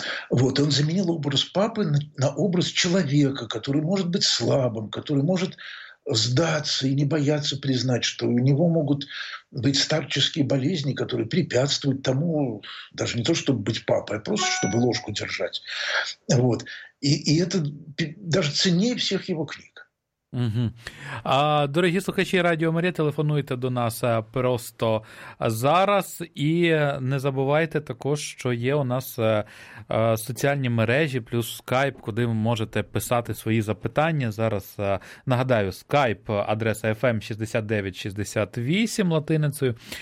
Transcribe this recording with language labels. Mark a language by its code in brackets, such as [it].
[ru] Вот, он заменил образ папы на образ человека, который может быть слабым, который может сдаться и не бояться признать, что у него могут быть старческие болезни, которые препятствуют тому, даже не то чтобы быть папой, а просто чтобы ложку держать. Вот. И это даже ценнее всех его книг. Угу. [uk] А, дорогі слухачі Радіо Марія, телефонуйте до нас просто зараз. І не забувайте також, що є у нас соціальні мережі плюс Skype, куди ви можете писати свої запитання. Зараз нагадаю, Skype, адреса FM6968 латиницею.